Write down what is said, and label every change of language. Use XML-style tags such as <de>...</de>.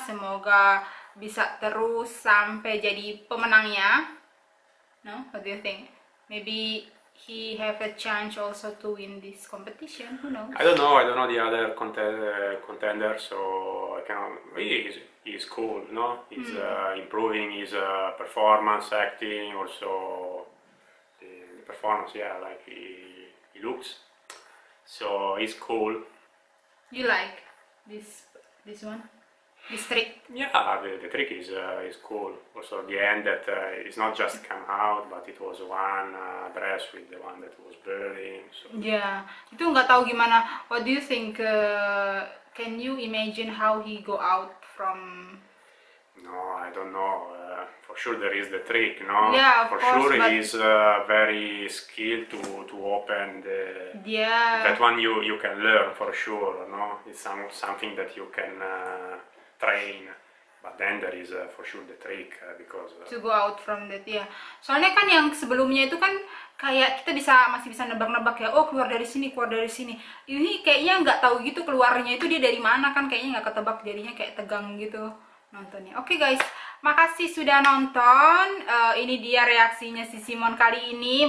<id>Semoga bisa terus sampai jadi pemenangnya.</id> <en>No, what do you think? Maybe he have a chance also to win this competition, who knows? I don't know the other contender, so I can't really. He's cool, no? He's improving his performance, acting, also the performance, yeah, like he looks. So he's cool. You like this one? This trick? Yeah, the trick is cool. Also, the end that it's not just come out, but it was one dress with the one that was burning. So. Yeah,</en> <id>itu nggak tahu gimana.</id> <en>What do you think? Can you imagine how he go out from? No, I don't know. For sure, there is the trick, no? Yeah, of for course, sure, but he's very skilled to open the. Yeah. That one you can learn for sure, no? It's something that you can. Train, but then there is for sure the trick because to go out from that, yeah.</en> <id>Soalnya kan yang sebelumnya itu kan kayak kita masih bisa nebak-nebak ya, oh keluar dari sini. Ini kayaknya nggak tahu gitu keluarnya itu dia dari mana, kan kayaknya nggak ketebak, jadinya kayak tegang gitu nontonnya.</id> <en>Okay, guys,</en> <id>makasih sudah nonton. Ini dia reaksinya si Simon kali ini.</id>